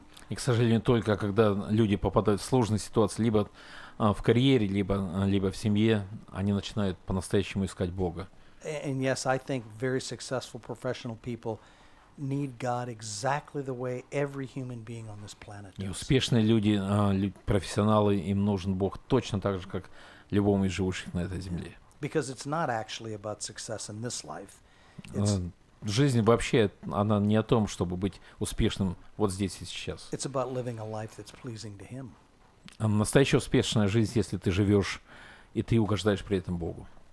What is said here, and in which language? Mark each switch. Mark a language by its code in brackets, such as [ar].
[ru] И, к сожалению, только когда люди попадают в сложные ситуации, либо в карьере, либо в семье, они начинают по-настоящему искать Бога. [en] And yes, I think very successful professional people need God exactly the way every human being on this planet does. [ru] И успешные люди, профессионалы, им нужен Бог точно так же, как любому из живущих на этой земле. [en] Because it's not actually about success in this life. [ru] Жизнь вообще, она не о том, чтобы быть успешным вот здесь и сейчас. [en] It's about living a life that's pleasing to Him. [ru] Настоящая успешная жизнь, если ты живешь и ты угождаешь при этом Богу.